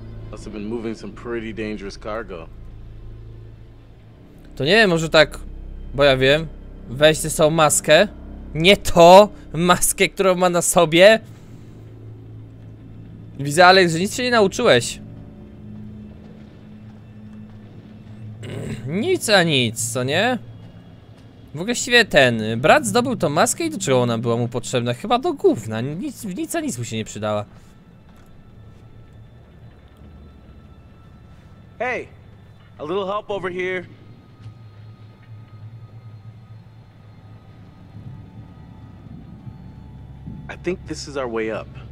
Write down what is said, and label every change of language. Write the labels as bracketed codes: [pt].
[en] Must have been moving some pretty dangerous cargo. [pl] To nie wiem, może tak, bo ja wiem. Weź ze sobą maskę. Nie to maskę, którą ma na sobie. Widzę, Alex, że nic się nie nauczyłeś. Nic a nic, co nie? W ogóle właściwie ten brat zdobył tą maskę i do czego ona była mu potrzebna? Chyba do gówna, nic a nic mu się nie przydała. [en] Hey, a little help over here. I think this is our way up.